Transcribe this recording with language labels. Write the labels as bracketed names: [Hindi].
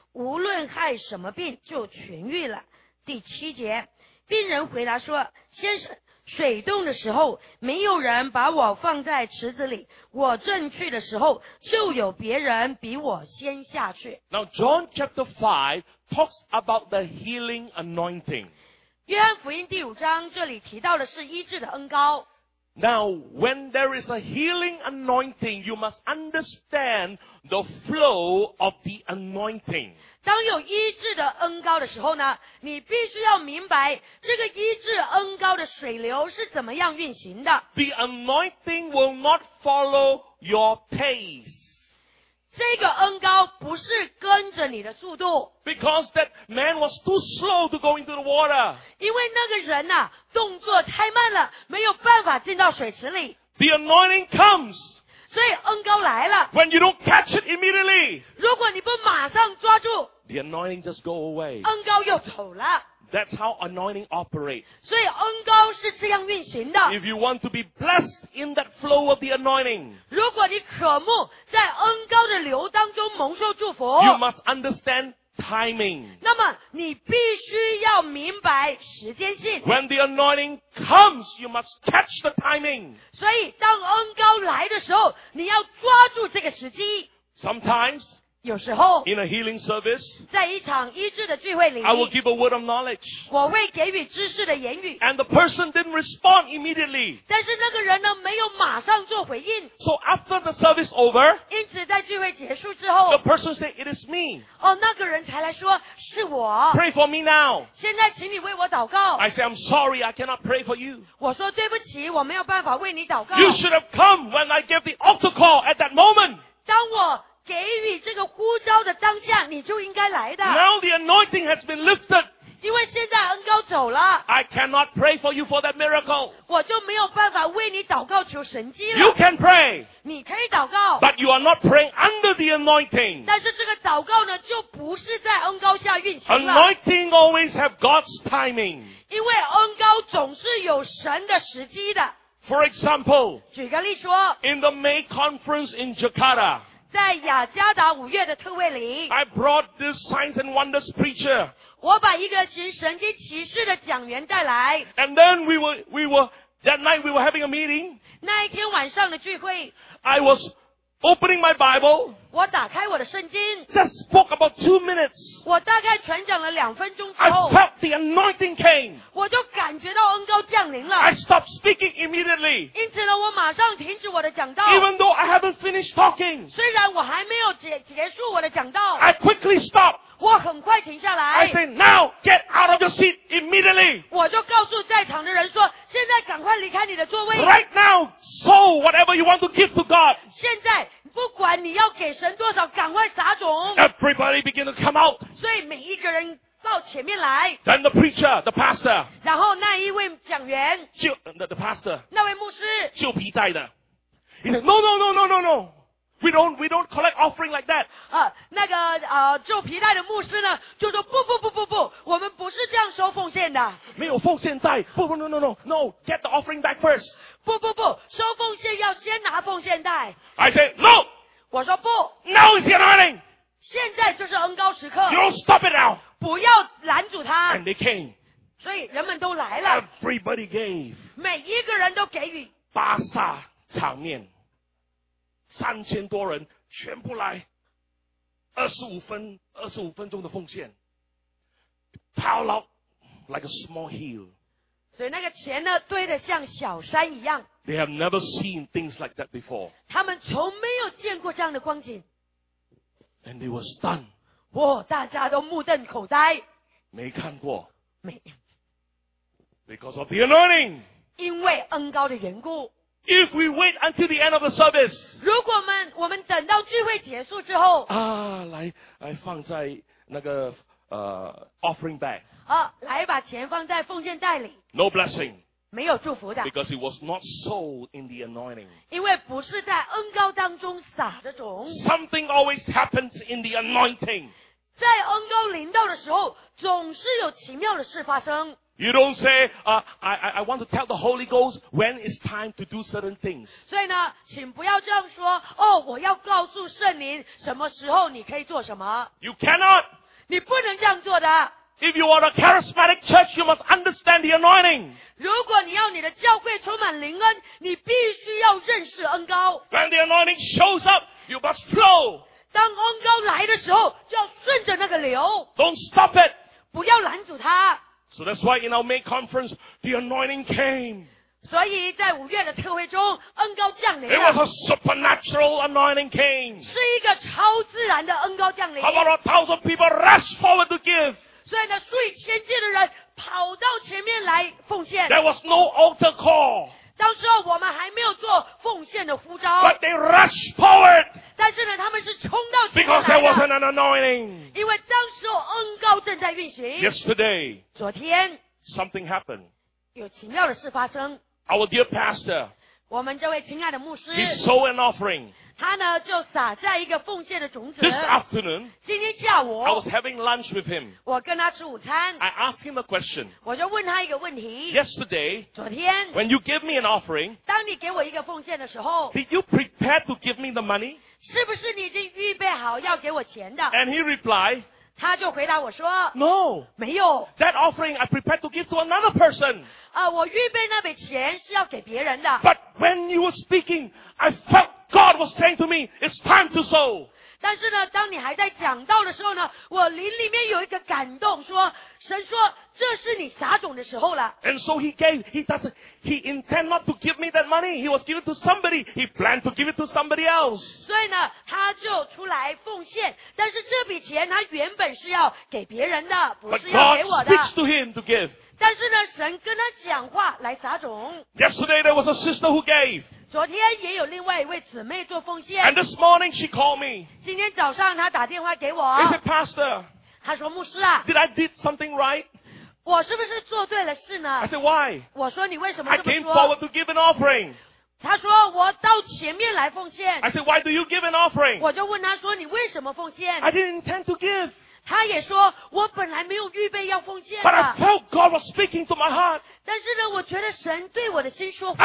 [Chinese] 无论害什么病就痊愈了。第七节，病人回答说，先生，水动的时候没有人把我放在池子里，我正去的时候就有别人比我先下去。 [English] Now John chapter 5 talks about the healing anointing. [Chinese] 约翰福音第五章这里提到的是医治的恩膏。 [English] Now, when there is a healing anointing, you must understand the flow of the anointing. [Chinese] 当有医治的恩膏的时候呢，你必须要明白这个医治恩膏的水流是怎么样运行的。 [English] The anointing will not follow your pace. [Chinese] 这个恩膏不是跟着你的速度。 [English] Because that man was too slow to go into the water. [Chinese] 因为那个人啊，动作太慢了，没有办法进到水池里。 [English] The anointing comes. [Chinese] 所以恩膏来了。 [English] When you don't catch it immediately. [Chinese] 如果你不马上抓住。 [English] The anointing just go away. [Chinese] 恩膏又走了。 [English] That's how anointing operates. [Chinese] 所以恩膏是这样运行的。 [English] If you want to be blessed in that flow of the anointing, [Chinese] 如果你渴慕在恩膏的流当中蒙受祝福， [English] you must understand timing. [Chinese] 那么你必须要明白时间性。 [English] When the anointing comes, you must catch the timing. [Chinese] 所以当恩膏来的时候，你要抓住这个时机。 [English] Sometimes. [Chinese] 有时候 [English] in a healing service, [Chinese] 在一场医治的聚会里 [English] I will give a word of knowledge, [Chinese] 我会给予知识的言语 [English] and the person didn't respond immediately, [Chinese] 但是那个人呢没有马上做回应 [English] so after the service over, [Chinese] 因此在聚会结束之后 [English] the person said it is me, [Chinese] 哦，那个人才来说是我 [English] pray for me now, [Chinese] 现在请你为我祷告 [English] I say I'm sorry I cannot pray for you, [Chinese] 我说对不起我没有办法为你祷告 [English] you should have come when I gave the altar call at that moment, [Chinese] 当我给予这个呼召的当下你就应该来的 [English] Now the anointing has been lifted [Chinese] 因为现在恩膏走了 [English] I cannot pray for you for that miracle [Chinese] 我就没有办法为你祷告求神迹了 [English] You can pray [Chinese] 你可以祷告 [English] But you are not praying under the anointing [Chinese] 但是这个祷告呢就不是在恩膏下运行了 [English] Anointing always have God's timing [Chinese] 因为恩膏总是有神的时机的 [English] For example [Chinese] 举个例说 [English] In the May conference in Jakarta [Chinese] 在雅加达五月的特会里 [English] I brought this signs and wonders preacher [Chinese] 我把一个行神迹奇事的讲员带来 [English] And then that night we were having a meeting [Chinese] 那一天晚上的聚会 [English] I was opening my Bible [Chinese] 我打开我的圣经 [English] Just spoke about 2 minutes [Chinese] 我大概传讲了两分钟之后 [English] I felt the anointing came [Chinese] 我就感觉到恩膏降临了 [English] I stopped speaking immediately [Chinese] 因此呢我马上停止我的讲道 [English] Even though I haven't finished talking [Chinese] 虽然我还没有 结束我的讲道 [English] I quickly stopped [Chinese] 我很快停下来 [English] I said now get out of your seat immediately [Chinese] 我就告诉在场的人说现在赶快离开你的座位 [English] Right now sow whatever you want to give to God [Chinese] 现在不管你要给神多少赶快撒种 [English] Everybody begin to come out [Chinese] 所以每一个人到前面来 [English] Then the preacher, the pastor [Chinese] 然后那一位讲员 [English] the pastor [Chinese] 那位牧师旧皮带的 [English] He said no We don't collect offering like that. [Chinese] 那个旧皮带的牧师呢，就说不，我们不是这样收奉献的。没有奉献带，不， [English] no, get the offering back first. [Chinese] 不，收奉献要先拿奉献带。 [English] I say no. [Chinese] 我说不。 [English] Now is the anointing. [Chinese] 现在就是恩膏时刻。 [English] You don't stop it now. [Chinese] 不要拦住他。 [English] And they came. [Chinese] 所以人们都来了。 [English] Everybody gave. [Chinese] 每一个人都给予。巴萨场面。3000多人全部来25分钟的奉献 [English] Pile out like a small hill [Chinese] 所以那个钱呢堆得像小山一样。 [English] They have never seen things like that before. [Chinese] 他们从没有见过这样的光景。 [English] And they were stunned. [Chinese] 哇，大家都目瞪口呆。没看过。没。 [English] Because of the anointing. [Chinese] 因为恩膏的缘故。 [English] If we wait until the end of the service. [Chinese] 如果我们等到聚会结束之后。啊，来放在那个 [English] offering bag. [Chinese] 啊，来把钱放在奉献袋里。 [English] No blessing. [Chinese] 没有祝福的 [English] because it was not sold in the anointing. [Chinese] 因为不是在恩膏当中撒的种 [English] Something always happens in the anointing. [Chinese] 在恩膏临到的时候总是有奇妙的事发生 [English] You don't say, I want to tell the Holy Ghost when it's time to do certain things. [Chinese] 所以呢请不要这样说哦我要告诉圣灵什么时候你可以做什么 [English] You cannot. [Chinese] 你不能这样做的 [English] If you are a charismatic church, you must understand the anointing. [Chinese] 如果你要你的教会充满灵恩，你必须要认识恩膏。 [English] When the anointing shows up, you must flow. [Chinese] 当恩膏来的时候，就要顺着那个流。 [English] Don't stop it. [Chinese] 不要拦阻它。 [English] So that's why in our May conference, the anointing came. [Chinese] 所以在五月的特会中，恩膏降临了。 [English] It was a supernatural anointing came. [Chinese] 是一个超自然的恩膏降临。 [English] How about 1,000 people rush forward to give? [Chinese] 所以呢，数以千计的人跑到前面来奉献。 [English] There was no altar call. [Chinese] 当时候我们还没有做奉献的呼召。 [English] But they rushed forward. [Chinese] 但是呢，他们是冲到前面来的。 [English] Because there was an anointing. [Chinese] 因为当时候恩膏正在运行。 [English] Yesterday. [Chinese] 昨天。 [English] Something happened. [Chinese] 有奇妙的事发生。 [English] Our dear pastor. [Chinese] 我们这位亲爱的牧师。 [English] He sowed an offering. [Chinese] 他呢就撒下一个奉献的种子。 [English] This afternoon, [Chinese] 今天下午 [English] I was having lunch with him. [Chinese] 我跟他吃午餐。 [English] I asked him a question. [Chinese] 我就问他一个问题。 [English] Yesterday, [Chinese] 昨天 [English] when you gave me an offering, [Chinese] 当你给我一个奉献的时候 [English] did you prepare to give me the money? [Chinese] 是不是你已经预备好要给我钱的？ [English] And he replied, [Chinese] 他就回答我说 [English] No, [Chinese] 没有。 [English] That offering I prepared to give to another person. [Chinese] 我预备那笔钱是要给别人的。 [English] But when you were speaking, I feltGod was saying to me, it's time to sow. [Chinese] 但是呢当你还在讲道的时候呢我灵里面有一个感动说神说这是你撒种的时候了。 [English] And so he gave, he intend not to give me that money, he was giving it to somebody, he planned to give it to somebody else. [Chinese] 所以呢他就出来奉献但是这笔钱他原本是要给别人的不是要给我的。 [English] But God speaks to him to give. [Chinese] 但是呢神跟他讲话来撒种。 [English] Yesterday there was a sister who gave. [Chinese] 昨天也有另外一位姊妹做奉献。 [English] And this morning she called me. [Chinese] 今天早上她打电话给我。 [English] Is it pastor? [Chinese] 她说牧师啊。 [English] Did I did something right? [Chinese] 我是不是做对了事呢 [English] ？I said why? [Chinese] 我说你为什么这么说 [English] ？I came forward to give an offering. [Chinese] 她说我到前面来奉献。 [English] I said why do you give an offering? [Chinese] 我就问她说你为什么奉献 [English] ？I didn't intend to give. [Chinese] 他也说我本来没有预备要奉献的 [English] But I felt God was speaking to my heart. [Chinese] 但是呢我觉得神对我的心说话